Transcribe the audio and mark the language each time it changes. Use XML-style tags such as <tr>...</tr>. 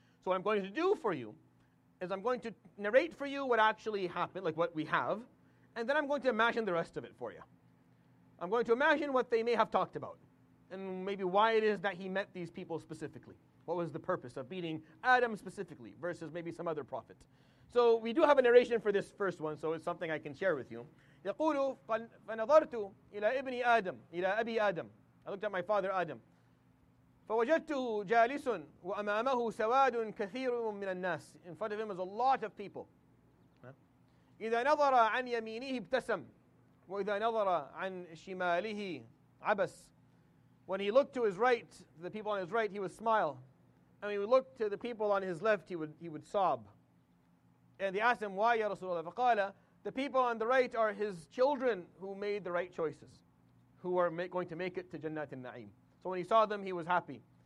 <en>So what I'm going to do for you is I'm going to narrate for you what actually happened, like what we have, and then I'm going to imagine the rest of it for you. I'm going to imagine what they may have talked about, and maybe why it is that he met these people specifically. What was the purpose of meeting Adam specifically versus maybe some other prophet? So we do have a narration for this first one, so it's something I can share with you.</en> <ar>يَقُولُ فَنَظَرْتُ إِلَى إِبْنِ آدَمْ إِلَى أَبِي آدَمْ</ar> <en>I looked at my father Adam.</en> <ar>فوجدته جالس وأمامه سواد كثير من الناس.</ar> <en>In front of him was a lot of people.</en> <ar>إذا نظر عن يمينه ابتسم وإذا نظر عن شماله عبس.</ar> <en>When he looked to his right, to the people on his right, he would smile. And when he looked to the people on his left, he would sob. And they asked him, Why يا رسول الله? فقال, The people on the right are his children who made the right choices. Who are going to make it to Jannat al-Na'im. So when he saw them, he was happy.</en>